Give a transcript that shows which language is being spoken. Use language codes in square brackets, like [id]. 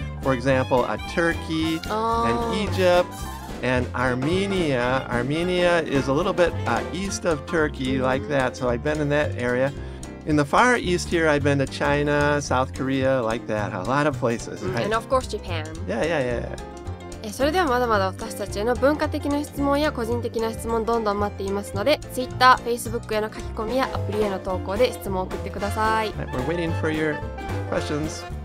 [en] For example, Turkey and Egypt and Armenia. Armenia is a little bit east of Turkey, like that. So I've been in that area. In the Far East here, I've been to China, South Korea, like that. A lot of places. Right? And of course, Japan. Yeah. [ja] それではまだまだ私たちへの文化的な質問や個人的な質問どんどん待っていますので、 Twitter、Facebook への書き込みやアプリへの投稿で質問を送ってください。 [en] We're waiting for your questions.